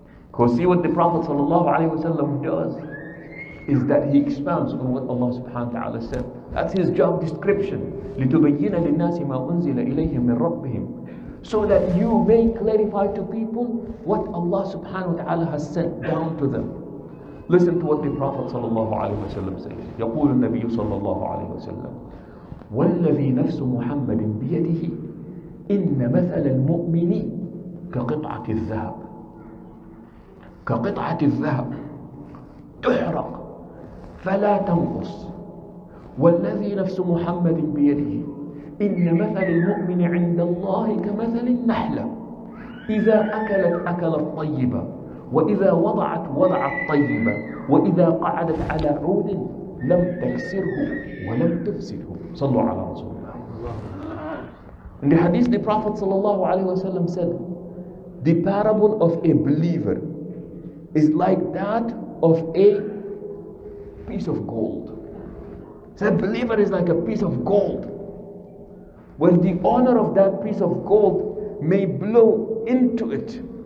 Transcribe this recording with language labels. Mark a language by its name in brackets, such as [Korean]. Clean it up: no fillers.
[English] Because see what the Prophet sallallahu alaihi wasallam does is that he expounds on what Allah subhanahu wa ta'ala said. That's his job description. [Arabic] لِتُبَيِّنَ لِلنَّاسِ مَا أُنزِلَ إِلَيْهِمْ مِنْ رَبِّهِمْ. [English] So that you may clarify to people what Allah subhanahu wa ta'ala has sent down to them. Listen to what the Prophet sallallahu alaihi wasallam says. [Arabic] يقول النبي صلى الله عليه وسلم وَالَّذِي نَفْسُ مُحَمَّدٍ بِيَدِهِ إِنَّ مَثَلَ الْمُؤْمِنِ كَقِطْعَةِ الذَّهَبِ كقطعة الذهب تحرق فلا تنقص والذي نفس محمد بيده إن مثل المؤمن عند الله كمثل النحلة إذا أكلت أكلت طيبة وإذا وضعت وضعت طيبة وإذا قعدت على عود لم تكسره ولم تفسده. صلوا على رسول الله. [English] In the hadith, the Prophet صلى الله عليه وسلم said, the parable of a believer is like that of a piece of gold. So a believer is like a piece of gold. Well, the owner of that piece of gold may blows into it.